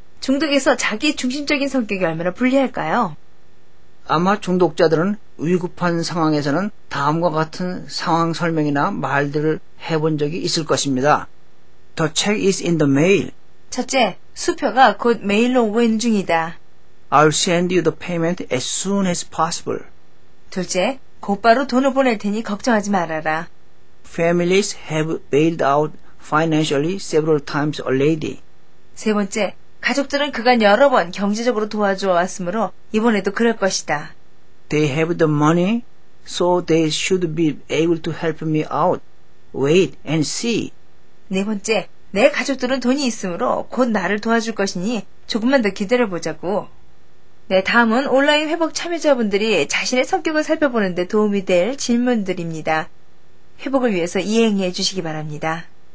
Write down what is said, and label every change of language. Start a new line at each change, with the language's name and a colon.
Korean: 중독에서 자기 중심적인 성격이 얼마나 불리할까요? 아마 중독자들은 위급한 상황에서는 다음과 같은 상황 설명이나 말들을 해본 적이 있을 것입니다.
English: The check is in the mail.
Korean: 첫째, 수표가 곧 메일로 오고 있는 중이다.
English: I'll send you the payment as soon as possible.
Korean: 둘째, 곧바로 돈을 보낼 테니 걱정하지 말아라.
English: Families have bailed out financially several times already.
Korean: 세 번째, 가족들은 그간 여러 번 경제적으로 도와주어 왔으므로 이번에도 그럴 것이다.
English: They have the money, so they should be able to help me out. Wait and see.
Korean: 네 번째, 내 가족들은 돈이 있으므로 곧 나를 도와줄 것이니 조금만 더 기다려보자고. 네, 다음은 온라인 회복 참여자분들이 자신의 성격을 살펴보는 데 도움이 될 질문들입니다. 회복을 위해서 이행해 주시기 바랍니다.